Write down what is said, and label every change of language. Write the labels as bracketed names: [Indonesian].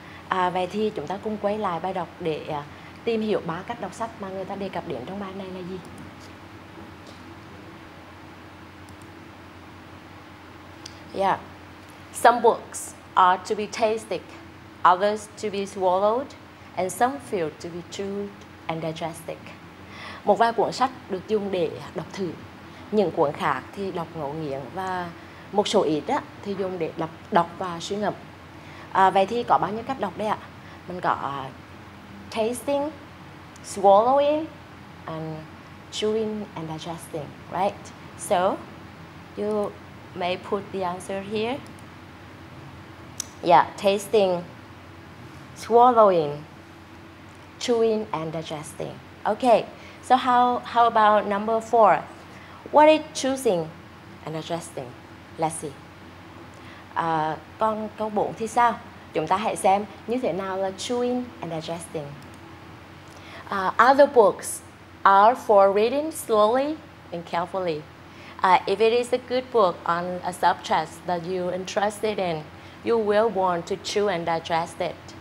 [Vietnamese] Vậy thì chúng ta cùng quay lại bài đọc để tìm hiểu ba cách đọc sách mà người ta đề cập đến trong bài này là gì. [English] Yeah, some books are to be tasted, others to be swallowed, and some feel to be chewed and digested. [Vietnamese] Một vài cuốn sách được dùng để đọc thử, những cuốn khác thì đọc ngấu nghiến và một số ít á thì dùng để đọc và suy ngẫm. Vậy thì có bao nhiêu cách đọc đây ạ? Mình có [English] tasting, swallowing, and chewing and digesting, right? So you may put the answer here. Yeah, tasting, swallowing, chewing and digesting. Okay. So how about number 4? What is choosing and digesting? Let's see. [Vietnamese] Còn câu 4 thì sao? Chúng ta hãy xem như thế nào là [English] chewing and digesting. Other books are for reading slowly and carefully. If it is a good book on a subject that you're interested in, you will want to chew and digest it.